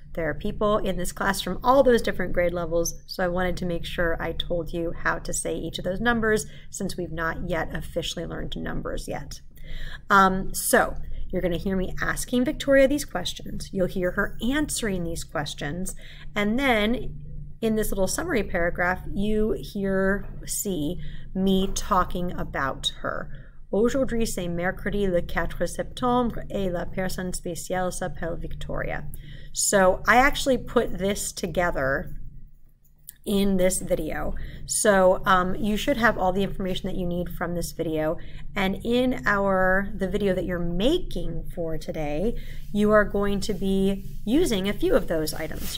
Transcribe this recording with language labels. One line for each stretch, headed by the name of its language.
English: There are people in this class from all those different grade levels, so I wanted to make sure I told you how to say each of those numbers, since we've not yet officially learned numbers yet. So you're going to hear me asking Victoria these questions. You'll hear her answering these questions. And then in this little summary paragraph, you hear, see me talking about her.
French: Aujourd'hui, c'est mercredi le 4 septembre et la personne spéciale s'appelle Victoria.
English: So I actually put this together in this video. So you should have all the information that you need from this video. And in the video that you're making for today, you are going to be using a few of those items.